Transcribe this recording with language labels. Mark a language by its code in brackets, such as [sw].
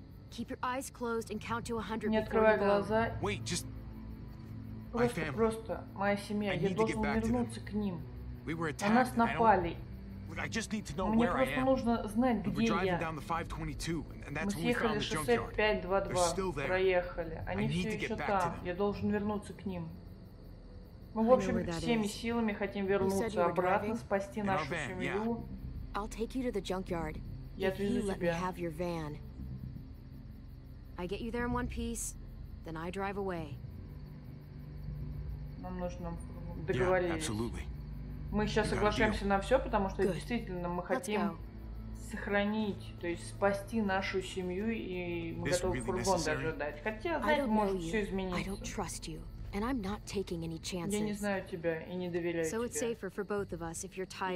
[en] Keep your eyes closed and count to 100. [ru] Не открывай глаза. [en] Wait, just my family. [ru] Просто моя семья. Я должен вернуться к ним. На нас напали. [en] I just need to know [ru] мне [en] where I am. [ru] Мне просто нужно знать, где я. [en] We're driving down the 522, and that's where we found the junkyard. [ru] Мы съехали 522, проехали. Они все еще там. Я должен вернуться к ним. Мы, в общем, всеми силами хотим вернуться обратно, спасти нашу семью. [en] I'll take you to the junkyard. [ru] Я отвезу тебя. [en] Have your van. I get you there in one piece, then I drive away. [ru] Нам нужно договориться. Мы сейчас соглашаемся на все, потому что действительно мы хотим сохранить, то есть спасти нашу семью, и мы готовы фургон даже дать. Хотя, знаете, может все измениться. Я не знаю тебя и не доверяю тебе.